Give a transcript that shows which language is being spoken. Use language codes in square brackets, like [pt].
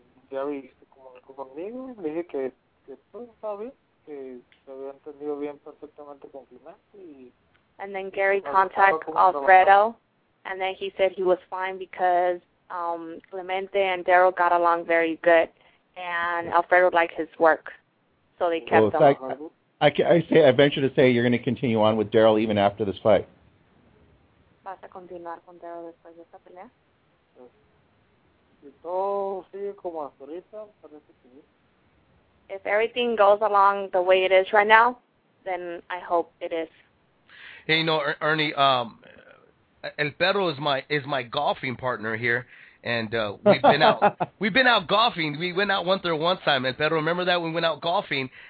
[es] Ya viste cómo fue conmigo, le dije que todo estaba bien, que se había entendido bien perfectamente con Clemente. [en] And then Gary contacted Alfredo, and then he said he was fine because Clemente and Daryl got along very good, and Alfredo liked his work, so they kept well, him. I venture to say you're going to continue on with Daryl even after this fight. [es] ¿Vas a continuar con Daryl después de esta pelea? Si todo sigue como hasta ahorita, parece que sí. [en] If everything goes along the way it is right now, then I hope it is. Hey, you know, Ernie, El Perro is my golfing partner here. And we've been out golfing. We went out once there one time. El Perro, remember that? We went out golfing.